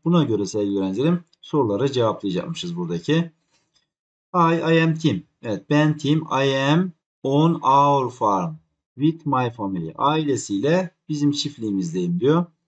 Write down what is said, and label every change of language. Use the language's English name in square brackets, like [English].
[Turkish] Buna göre sevgili öğrencilerim soruları cevaplayacakmışız buradaki. [English] I am Tim. [Turkish] Evet, ben Tim. [English] I am on our farm with my family. [Turkish] Ailesiyle bizim çiftliğimizdeyim diyor.